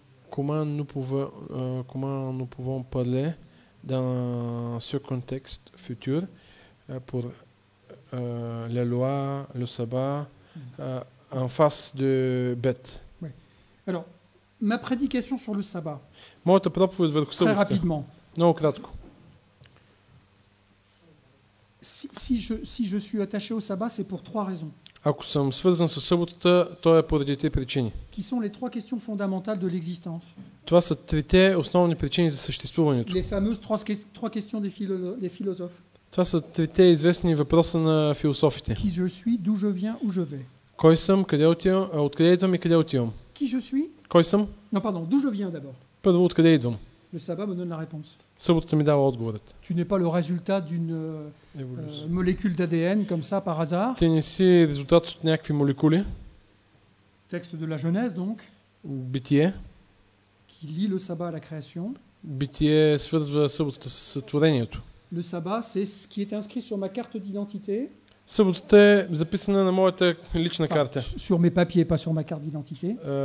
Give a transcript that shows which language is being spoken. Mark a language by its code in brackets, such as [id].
[fr] Comment nous pouvons parler dans ce contexte futur pour la loi, le sabbat, en face de bêtes. Oui. Alors, ma prédication sur le sabbat. Moi, tu peux pas vous très rapidement. Non, [bg] кратко. [fr] Si je suis attaché au sabbat, c'est pour trois raisons. [bg] Ако съм свързан със съботата, то е поради три причини. [fr] Qui sont les trois questions fondamentales de l'existence? [bg] Това са трите основни причини за съществуването. [fr] Les fameuses trois questions des philosophes. [bg] Това са трите известни въпроса на философите. [fr] Qui je suis, d'où je viens, où je vais? [bg] Кой съм, къде отивам, откъде идвам и къде отивам? [fr] Qui je suis? [bg] Кой съм? [fr] Non, pardon, d'où je viens d'abord? [bg] Първо, откъде идвам? [fr] Le sabbat me donne la réponse. [bg] Съботата ми дава отговорът. [fr] Tu n'es pas le résultat d'une molécule d'ADN comme ça par hasard. [bg] Ти не си резултат от някакви молекули. [fr] Texte de la Genèse donc. [bg] Битие. [fr] Qui lie le sabbat à la création. [bg] Битие свързва съботата със сътворението. [fr] Le sabbat c'est ce qui est inscrit sur ma carte d'identité. [bg] Съботата е записана на моята лична карта. [fr] Sur mes papiers, pas sur ma carte d'identité.